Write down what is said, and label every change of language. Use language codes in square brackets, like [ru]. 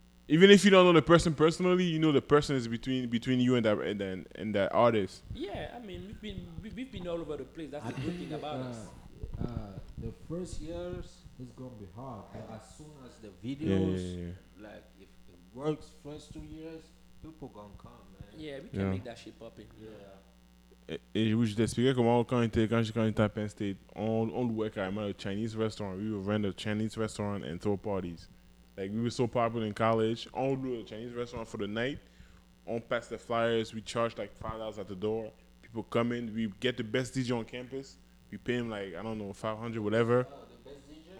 [en] Even if you don't know the person personally, you know the person is between you and that artist. Yeah, I mean we've been all over the place. That's the good thing about us. The first years is gonna be hard, but as soon as the videos like if it works first 2 years, people gonna come, man. Yeah, we can make that shit popping. Yeah. [fr] Et je vous expliquais comment quand j'étais à Penn State, on louait carrément [en] a Chinese restaurant. We would rent a Chinese restaurant and throw parties. Like, we were so popular in college. On do a Chinese restaurant for the night. On pass the flyers. We charge, like, $5 at the door. People come in. We get the best DJ on campus. We pay him, like, I don't know, $500, whatever. Oh, the best DJ?